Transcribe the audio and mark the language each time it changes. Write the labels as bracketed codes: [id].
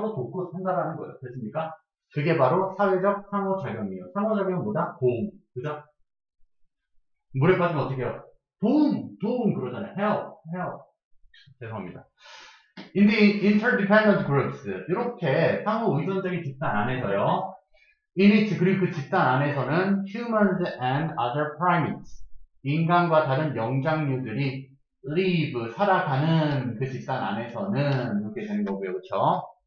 [ko] 서로 돕고 한다는 거예요. 됐습니까? 그게 바로 사회적 상호작용이에요. 상호작용보다 도움. 그죠? 물에 빠지면 어떻게 해요? 도움! 도움! 그러잖아요. Help! Help! 죄송합니다. [en] In the interdependent groups. [ko] 이렇게 상호 의존적인 집단 안에서요. [en] In it, 그리고 그 집단 안에서는 humans and other primates. [ko] 인간과 다른 영장류들이 live, 살아가는 그 집단 안에서는 이렇게 되는 거고요, 그쵸?